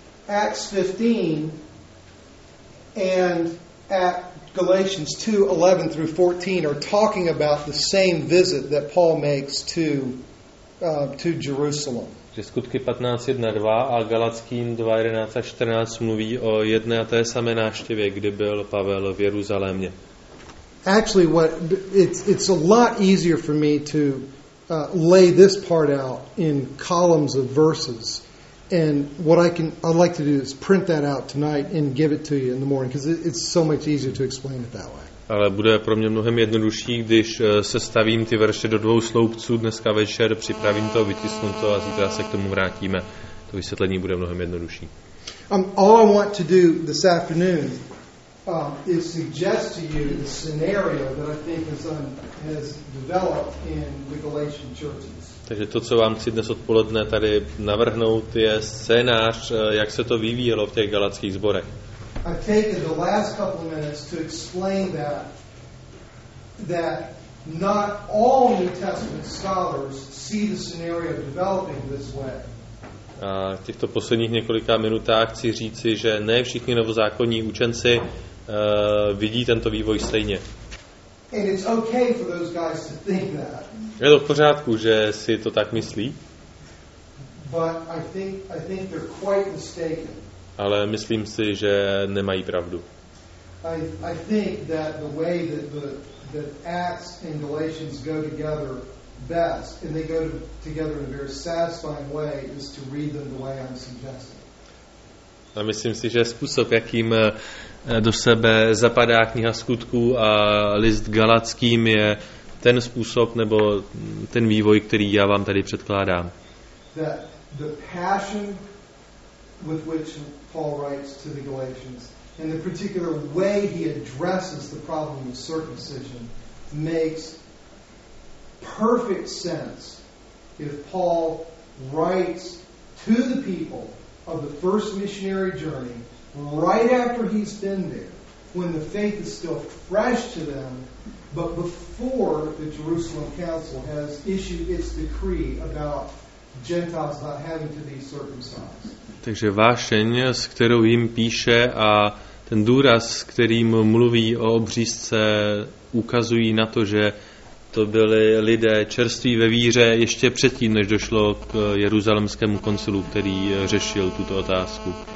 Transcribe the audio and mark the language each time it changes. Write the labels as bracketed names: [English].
[English] Acts 15 and at Galatians 2:11 through 14 are talking about the same visit that Paul makes to Jerusalem. [Czech] Že skutky 15:1-2 a Galackým 2:11-14 mluví o jedné a té samé návštěvě, kdy byl Pavel v Jeruzalémě. [English] Actually, what it's a lot easier for me to lay this part out in columns of verses. And what I'd like to do is print that out tonight and give it to you in the morning, because it's so much easier to explain it that way. [Czech] Ale bude pro mě mnohem jednodušší, když sestavím ty verše do dvou sloupců dneska večer, připravím to, vytisnu to a zítra se k tomu vrátíme. To vysvětlení bude mnohem jednodušší. [English] All I want to do this afternoon is suggest to you the scenario that I think has developed in the Galatian churches. [Czech] Takže to, co vám chci dnes odpoledne tady navrhnout, je scénář, jak se to vyvíjelo v těch galatských zborech. [English] I've taken the last couple of minutes to explain that not all New Testament scholars see the scenario developing this way. [Czech] A v těchto posledních několika minutách chci říci, že ne všichni novozákonní učenci vidí tento vývoj stejně. [English] And it's okay for those guys to think that. [Czech] Je to v pořádku, že si to tak myslí. [English] But I think they're quite mistaken. [Czech] Ale myslím si, že nemají pravdu. [English] I think that the way that Acts and Galatians go together best, and they go together in a very satisfying way, is to read them the way I'm suggesting. [Czech] A myslím si, že způsob, jakým do sebe zapadá kniha Skutků a list Galackým, je ten způsob nebo ten vývoj, který já vám tady předkládám. [English] That the passion with which Paul writes to the Galatians and the particular way he addresses the problem of circumcision makes perfect sense if Paul writes to the people of the first missionary journey right after he's been there, when the faith is still fresh to them, but before the Jerusalem Council has issued its decree about Gentiles not having to be circumcised. [Czech] Takže vášeň, s kterou jim píše, a ten důraz, s kterým mluví o obřízce, ukazují na to, že to byli lidé čerství ve víře ještě předtím, než došlo k Jeruzalemskému koncilu, který řešil tuto otázku.